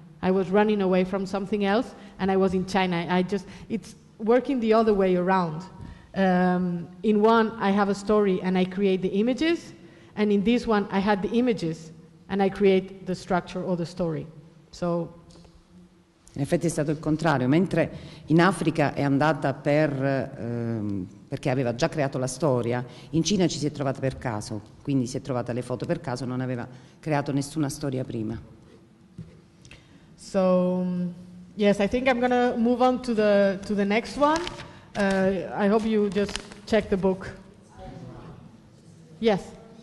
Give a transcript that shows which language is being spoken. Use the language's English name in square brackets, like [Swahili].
[English] I was running away from something else and I was in China. It's working the other way around. In one, I have a story and I create the images, and in this one, I had the images and I create the structure or the story. So. [Italian] In effetti è stato il contrario, mentre in Africa è andata perché aveva già creato la storia, in Cina ci si è trovata per caso, quindi si è trovata le foto per caso, non aveva creato nessuna storia prima. [English] So, yes, I think I'm gonna move on to the next one. I hope you just check the book. Yes.